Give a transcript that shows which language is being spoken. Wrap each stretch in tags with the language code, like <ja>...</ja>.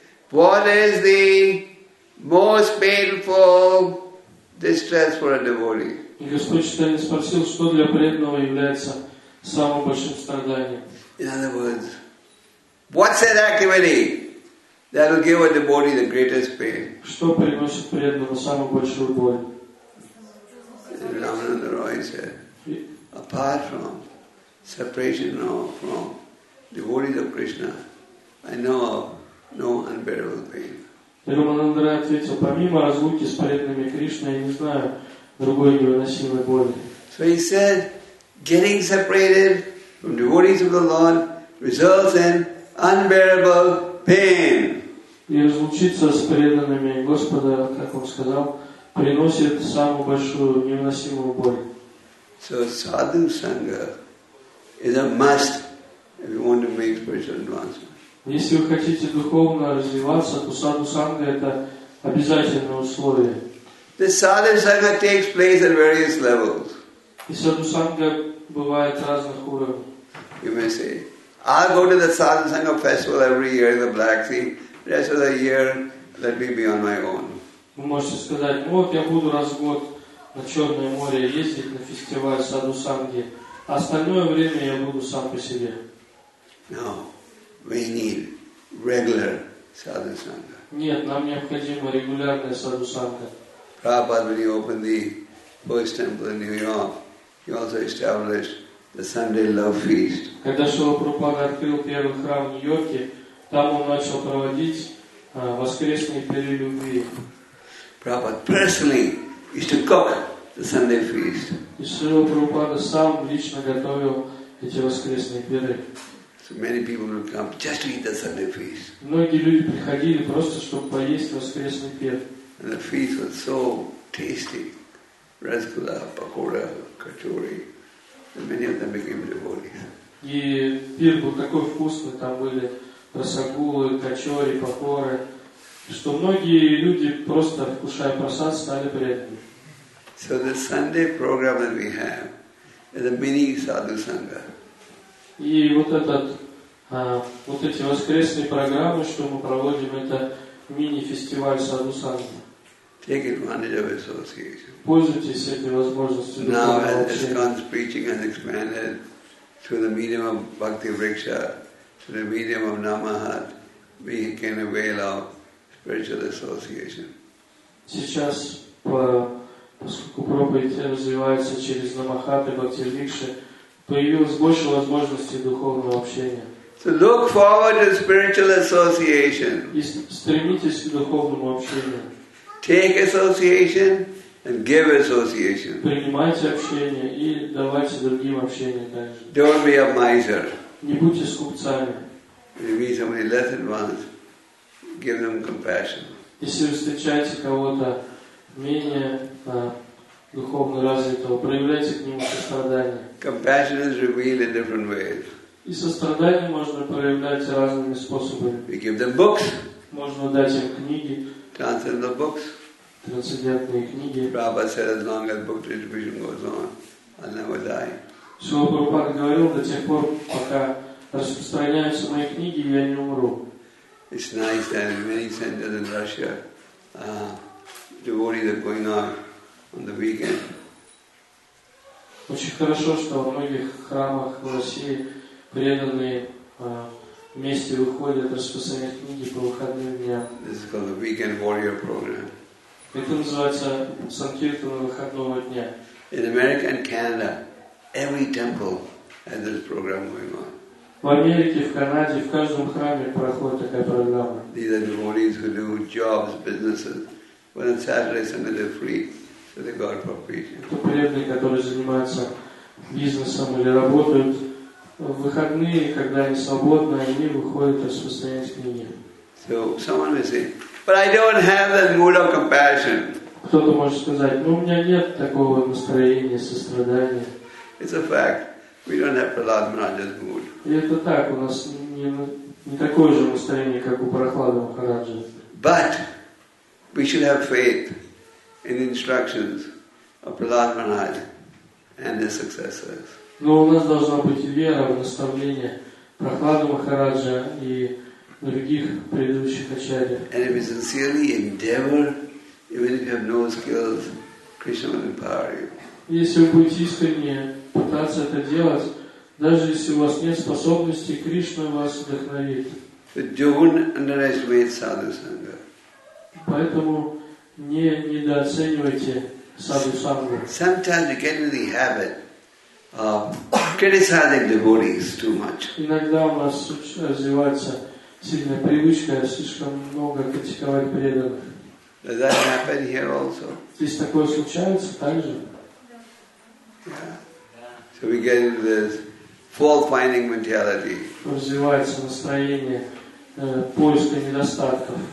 <en>What is the most painful distress for a devotee?</en> <ru>Господь Читания спросил, что для преданного является самым большим страданием.</ru> <en>In other words, what's that activity that will give a devotee the greatest pain?</en> <ru>Что приносит преданному самую большую боль?</ru> <en>Ramananda Roy said, apart from separation from devotees of Krishna, I know of no unbearable pain.</en> <ru>Ramananda Roy ответил, помимо разлуки с преданными Кришны, я не знаю другой невыносимой боли.</ru> <en>So he said, getting separated from devotees of the Lord results in unbearable pain.</en> <ru>И разлучиться с преданными Господа, как он сказал, приносит самую большую невыносимую боль.</ru> <en>So sadhu sangha is a must if you want to make spiritual advancement.</en> <ru>Если вы хотите духовно развиваться, то sadhu sangha это обязательное условие.</ru> <en>The sadhu sangha takes place at various levels.</en> <ru>И sadhu sangha бывает разных уровней.</ru> <en>You may say, I'll go to the sadhu sangha festival every year in the Black Sea. The rest of the year, let me be on my own.</en> <ru>Вы можете сказать, ну вот я буду раз в год на Черное море ездить на фестиваль Саду Санги, а остальное время я буду сам по себе.</ru> <en>No, we need regular Sadhu Sangha.</en> <ru>Нет, нам необходимо регулярное Саду Санга.</ru> <en>Prabhupada, when he opened the Bose Temple in New York, he also established the Sunday Love Feast.</en> <ru>Когда Шрила Прабхупада открыл первый храм в Нью-Йорке, там он начал проводить воскресные пиры любви.</ru> <en>Prabhupada personally used to cook the Sunday feast.</en> <ru>И Шрила Прабхупада сам лично готовил эти воскресные пиры.</ru> <en>So many people would come just to eat the Sunday feast.</en> <ru>Многие люди приходили просто чтобы поесть воскресный пир.</ru> <en>And the feast was so tasty. Rasgulla, pakora, kachori. And many of them became devotees.</en> <ru>И пир был такой вкусный, там были рассагулы, кочори, пакоры, что многие люди, просто вкушая просад, стали преданными.</ru> <en>So the Sunday program that we have is a mini Sadhu Sangha.</en> <ru>И вот этот, вот эти воскресные программы, что мы проводим, это мини-фестиваль Саду Санги.</ru> <en>Take advantage of association.</en> <ru>Пользуйтесь этой возможностью.</ru> <en>Now, as Iskcon's preaching has expanded through the medium of Bhakti Vriksha, through the medium of Namahat, we can avail of spiritual association.</en> <ru>Сейчас, поскольку проповедь развивается через Намахат и Бхакти Вриксха, появилось больше возможностей духовного общения.</ru> <en>So look forward to spiritual association.</en> <ru>И стремитесь к духовному общению.</ru> <en>Take association and give association.</en> <ru>Принимайте общение и давайте другим общение также.</ru> <en>Don't be a miser.</en> <ru>Не будьте скупцами.</ru> <en>If you meet somebody less advanced, give them compassion.</en> <ru>Если вы встречаете кого-то менее духовно развитого, проявляйте к нему сострадание.</ru> <en>Compassion is revealed in different ways.</en> <ru>И сострадание можно проявлять разными способами.</ru> <en>We give them books.</en> <ru>Можно дать им книги.</ru> <en>Transcendental books.</en> <ru>Трансцендентные книги.</ru> <en>Prabhupada said, as long as book distribution goes on, I'll never die.</en> <ru>Шрила Прабхупада говорил, до тех пор, пока распространяются мои книги, я не умру.</ru> <en>It's nice that many centers in Russia, devotees are going out on the weekend.</en> <ru>Очень хорошо, что во многих храмах в России преданные вместе выходят распространять книги по выходным дням.</ru> <en>This is called the Weekend Warrior Program.</en> <ru>Это называется Санкиртана выходного дня.</ru> <en>In America and Canada, every temple has this program going on.</en> <ru>В Америке, в Канаде, в каждом храме проходит такая программа.</ru> <en>These are devotees who do jobs, businesses. When on Saturday, some of them are free. So they got appropriation.</en> <ru>Это преданные, которые занимаются бизнесом или работают. В выходные, когда они свободны, они выходят из состояния книги.</ru> <en>So someone may say, but I don't have that mood of compassion.</en> <ru>Кто-то может сказать, ну у меня нет такого настроения, сострадания.</ru> <en>It's a fact. We don't have Prahlada Maharaja's mood.</en> <ru>И это так, у нас не такое же настроение, как у Прахлады Махараджи.</ru> <en>But we should have faith in the instructions of Prahlada Maharaja and his successors.</en> <ru>Но у нас должна быть вера в наставление Прахлады Махараджа и других предыдущих ачарьев.</ru> <en>And if you sincerely endeavor, even if you have no skills, Krishna will empower you.</en> <ru>Если вы будете искренне пытаться это делать, даже если у вас нет способностей, Кришна вас вдохновит.</ru> <en>But don't underestimate Sadhu Sangha.</en> <ru>Поэтому недооценивайте Sadhu Sangha.</ru> <en>Sometimes you get in the habit criticizing devotees too much.</en> <ru>Иногда у нас развивается сильная привычка слишком много критиковать преданных.</ru> <en>Does that happen here also?</en> <ru>Здесь такое случается также.</ru> <en>Yeah. So we get into this fault-finding mentality.</en> <ru>Развивается настроение поиска недостатков.</ru>